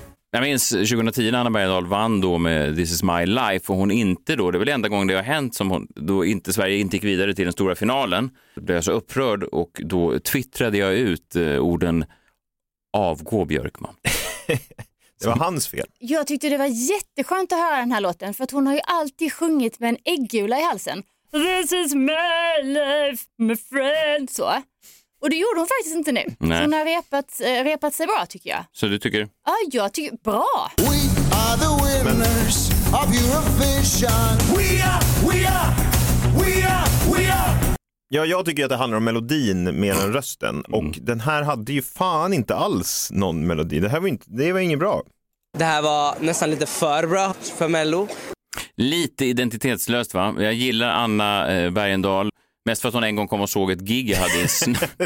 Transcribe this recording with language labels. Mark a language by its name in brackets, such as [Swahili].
[Swedish] Jag minns 2010 när Anna Bergendahl vann då med This is my life och hon inte då, det är väl enda gången det har hänt som hon, då inte Sverige inte gick vidare till den stora finalen. Då blev jag så upprörd och då twittrade jag ut orden avgå Björkman. Det var hans fel. Jag tyckte det var jätteskönt att höra den här låten för att hon har ju alltid sjungit med en äggula i halsen. [English] This is my life, my friend, så. [Swedish] Och det gjorde hon faktiskt inte nu. Nej. Så hon har repat sig bra, tycker jag. Så du tycker? Ja, jag tycker bra. [English] We are the winners of Eurovision. We are. [Swedish] Ja, jag tycker att det handlar om melodin mer än rösten. Och den här hade ju fan inte alls någon melodi. Det var inget bra. Det här var nästan lite för bra för Mello. Lite identitetslöst, va? Jag gillar Anna Bergendahl. Mest för att hon en gång kom och såg ett gig jag hade i snö.